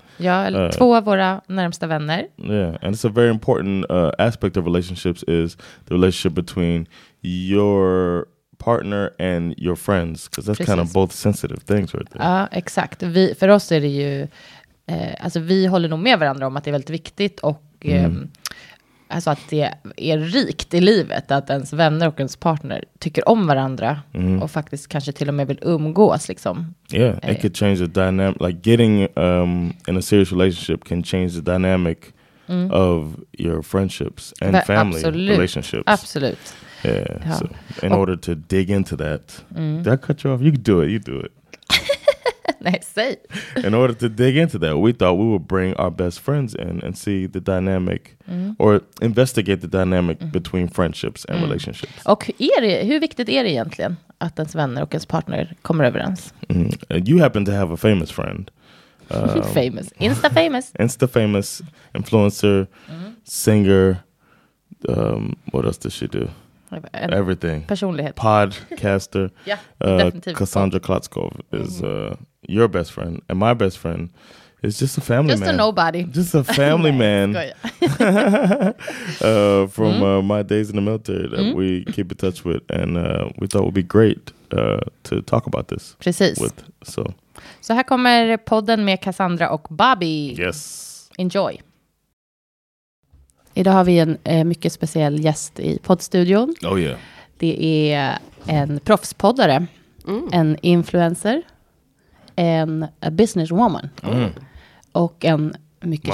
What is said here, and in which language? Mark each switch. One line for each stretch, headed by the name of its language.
Swedish: Ja, eller två av våra närmsta vänner.
English: Yeah, and it's a very important aspect of relationships is the relationship between your partner and your friends. Because that's kind of both sensitive things right there.
Swedish: Ja, exakt. Vi, för oss är det ju... alltså, vi håller nog med varandra om att det är väldigt viktigt. Och alltså att det är rikt i livet att ens vänner och ens partner tycker om varandra. Mm. Och faktiskt kanske till och med vill umgås liksom.
English: Yeah, it could change the dynamic. Like getting in a serious relationship can change the dynamic of your friendships and family relationships.
Swedish: Absolut.
English: Yeah, ja. So in order to dig into that. Mm. Did I cut you off? You can do it, you do it.
Swedish: Nej, säg.
English: In order to dig into that, we thought we would bring our best friends in and see the dynamic or investigate the dynamic between friendships and relationships.
Swedish: Och är det, hur viktigt är det egentligen att ens vänner och ens partner kommer överens?
English: You happen to have a famous friend. famous. Insta-famous. Insta-famous. Influencer. Mm. Singer. What else does she do? Everything.
Swedish: Personlighet.
English: Podcaster.
Swedish: Ja, definitivt.
English: Cassandra Klotzkov is your best friend. And my best friend is just a family just man. Just a nobody. Just a family man. from my days in the military that we keep in touch with. And we thought it would be great to talk about this.
Swedish: Precis.
English: With, so.
Swedish: Så här kommer podden med Cassandra och Bobby.
English: Yes. Enjoy.
Swedish: Idag har vi en mycket speciell gäst i poddstudion.
English: Oh yeah.
Swedish: Det är en proffspoddare, en influencer, en businesswoman och en mycket